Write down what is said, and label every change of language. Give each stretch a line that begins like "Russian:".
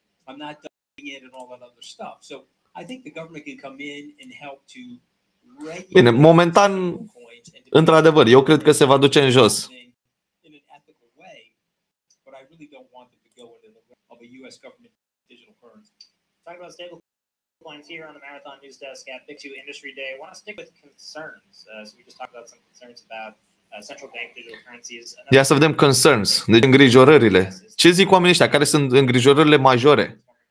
English: I'm not doing it and all that other stuff. So I think the government can come in and help to regulate.
Romanian: Bine, momentan, într-adevăr, eu cred că se va duce în jos.
English: But I really don't want it to go into the realm of a US government digital currency. Talking about stablecoins here on the Marathon News Desk at Bitcoin Industry Day. I want to stick with concerns. So we just talked about some concerns about central bank digital currencies.
Romanian: Ia să vedem concerns, deci îngrijorările. Ce zic oamenii ăștia? Care sunt îngrijorările majore?